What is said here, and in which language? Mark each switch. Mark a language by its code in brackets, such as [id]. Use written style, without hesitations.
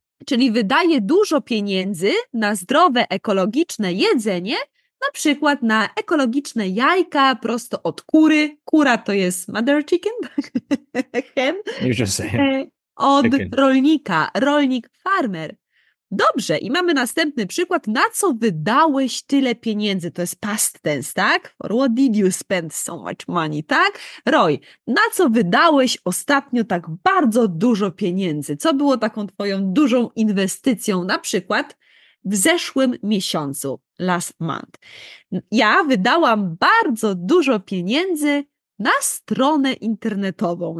[pl] Czyli wydaje dużo pieniędzy na zdrowe, ekologiczne jedzenie, na przykład na ekologiczne jajka prosto od kury. Kura to jest [en] mother chicken? Hen? You're just saying. [pl] Od chicken. Rolnika, rolnik, farmer. Dobrze, i mamy następny przykład. Na co wydałeś tyle pieniędzy? To jest past tense, tak? [en] For what did you spend so much money, tak? [pl] Roy, na co wydałeś ostatnio tak bardzo dużo pieniędzy? Co było taką twoją dużą inwestycją, na przykład w zeszłym miesiącu, [en] last month? [pl] Ja wydałam bardzo dużo pieniędzy na stronę internetową.